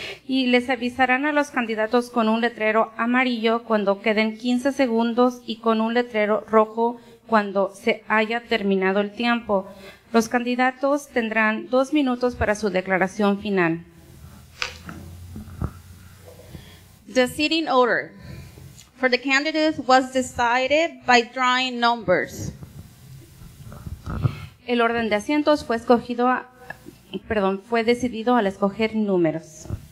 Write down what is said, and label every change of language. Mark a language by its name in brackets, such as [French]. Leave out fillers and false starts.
[Spanish] Y les avisarán a los candidatos con un letrero amarillo cuando queden 15 segundos y con un letrero rojo cuando se haya terminado el tiempo. Los candidatos tendrán 2 minutos para su declaración final. [English] The seating order for the candidates was decided by drawing numbers. [Spanish] El orden de asientos fue decidido al escoger números.